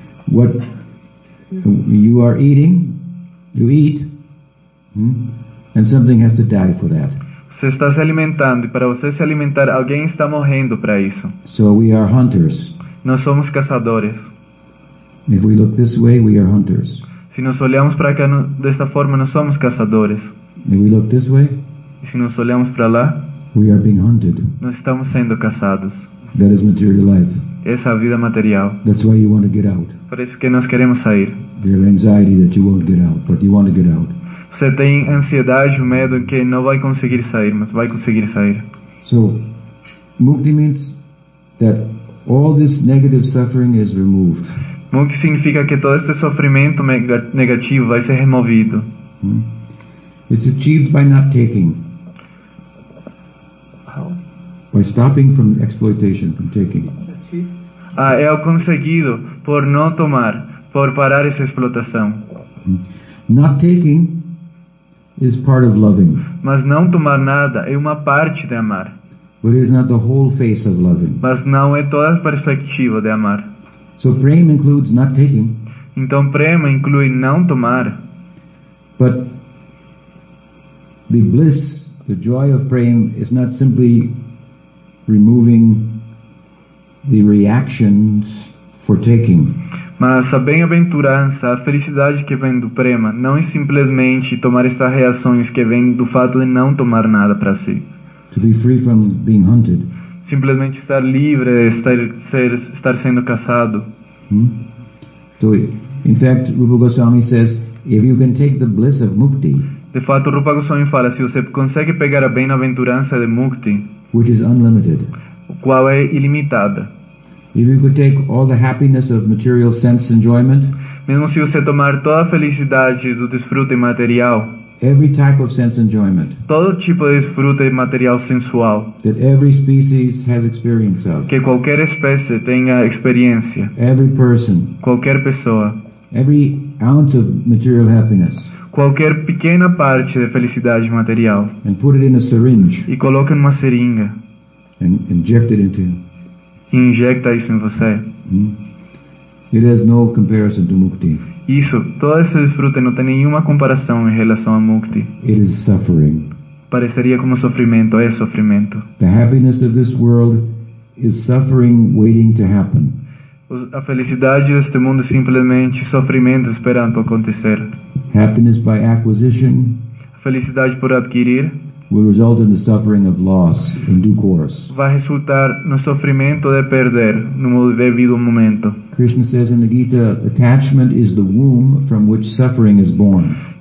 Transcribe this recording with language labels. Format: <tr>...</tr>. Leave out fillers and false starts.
<en>What you are eating, you eat, and something has to die for that.</en> <pt>Você está se alimentando e para você se alimentar, alguém está morrendo para isso.</pt> <en>So we are hunters.</en> <pt>Nós somos caçadores.</pt> <en>If we look this way, we are hunters.</en> <pt>Se nós olhamos para cá desta forma, nós somos caçadores.</pt> <en>If we look this way,</en> <pt>e se nós olhamos para lá,</pt> <en>we are being hunted.</en> <pt>Nós estamos sendo caçados.</pt> <en>That is material life.</en> <pt>Essa é a vida material.</pt> <en>That's why you want to get out.</en> <pt>Por isso que nós queremos sair.</pt> <en>Your anxiety that you won't get out, but you want to get out.</en> <pt>Você tem ansiedade, medo que não vai conseguir sair, mas vai conseguir sair.</pt> <en>So, mukti means that all this negative suffering is removed.</en> <pt>Mukti significa que todo este sofrimento negativo vai ser removido.</pt> <en>It's achieved by not taking. How? By stopping from exploitation, from taking.</en> <pt>Ah, é conseguido por não tomar, por parar essa explotação.</pt> <en>Not taking is part of loving.</en> <pt>Mas não tomar nada é uma parte de amar.</pt> <en>But it is not the whole face of loving.</en> <pt>Mas não é toda a perspectiva de amar.</pt> <en>So prema includes not taking.</en> <pt>Então prema inclui não tomar.</pt> <en>But the bliss, the joy of prema is not simply removing the reactions for taking.</en> <pt>Mas a bem-aventurança, a felicidade que vem do prema, não é simplesmente tomar estas reações que vêm do fato de não tomar nada para si.</pt> <en>To be free from being hunted.</en> <pt>Simplesmente estar livre, estar sendo caçado.</pt> <en>So, in fact, Rupa Goswami says, if you can take the bliss of mukti.</en> <pt>De fato, Rupa Goswami fala, se você consegue pegar a bem-aventurança de mukti,</pt> <en>which is unlimited.</en> <pt>O qual é ilimitada.</pt> <en>If you could take all the happiness of material sense enjoyment,</en> <pt>mesmo se você tomar toda a felicidade do desfrute material,</pt> <en>every type of sense enjoyment,</en> <pt>todo tipo de desfrute material sensual,</pt> <en>that every species has experience of,</en> <pt>que qualquer espécie tenha experiência,</pt> <en>every person,</en> <pt>qualquer pessoa,</pt> <en>every ounce of material happiness,</en> <pt>qualquer pequena parte de felicidade material,</pt> <en>and put it in a syringe,</en> <pt>e coloque numa seringa,</pt> <en>and inject it into.</en> <pt>Injecta isso em você.</pt> <en>It has no comparison to mukti.</en> <pt>Isso, todo esse desfrute não tem nenhuma comparação em relação a mukti.</pt> <en>It is suffering.</en> <pt>Pareceria como sofrimento, é sofrimento.</pt> <en>The happiness of this world is suffering waiting to happen.</en> <pt>A felicidade deste mundo é simplesmente sofrimento esperando acontecer.</pt> <en>Happiness by acquisition.</en> <pt>Felicidade por adquirir.</pt> <en>Will result in the suffering of loss in due course.</en> <pt>Vai resultar no sofrimento de perder no devido momento.</pt> <en>Krishna says in the Gita, attachment is the womb from which suffering is born.</en>